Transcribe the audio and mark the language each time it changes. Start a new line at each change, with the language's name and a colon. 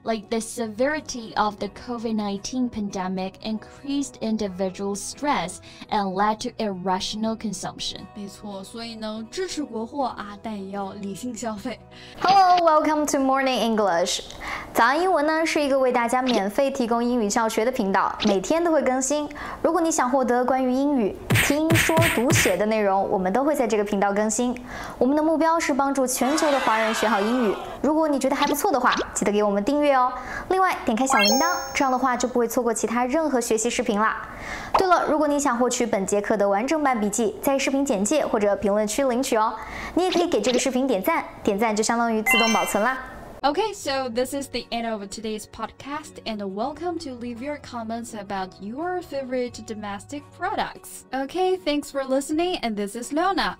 English: Like the severity of the COVID-19 pandemic increased individual stress and led to irrational consumption.
Chinese: 没错，所以呢，支持国货啊，但也要理性消费。
English: Hello, welcome to Morning English.
Chinese: 早安英文呢，是一个为大家免费提供英语教学的频道，每天都会更新。如果你想获得关于英语听说读写的内容，我们都会在这个频道更新。我们的目标是帮助全球的华人学好英语。如果你觉得还不错的话，记得给我们订阅哦。另外，点开小铃铛，这样的话就不会错过其他任何学习视频啦。对了，如果你想获取本节课的完整版笔记，在视频简介或者评论区领取哦。你也可以给这个视频点赞，点赞就相当于自动保存啦。
English: Okay, so this is the end of today's podcast, and welcome to leave your comments about your favorite domestic products. Okay, thanks for listening, and this is Leona.